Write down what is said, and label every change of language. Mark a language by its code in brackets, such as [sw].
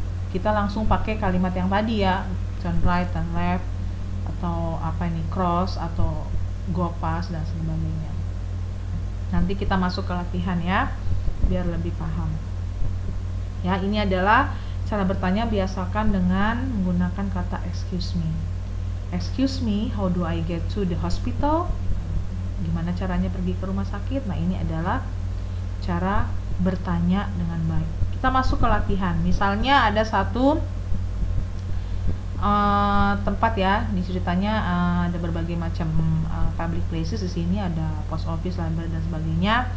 [id] Kita langsung pakai kalimat yang tadi ya, turn right, turn left, atau apa ini, cross, atau go past, dan sebagainya. Nanti kita masuk ke latihan ya, biar lebih paham. Ya, ini adalah cara bertanya, biasakan dengan menggunakan kata excuse me. [en] Excuse me, how do I get to the hospital? [id] Gimana caranya pergi ke rumah sakit? Nah, ini adalah cara bertanya dengan baik. Kita masuk ke latihan. Misalnya ada satu tempat ya, di ceritanya ada berbagai macam public places di sini, ada post office, library, dan sebagainya.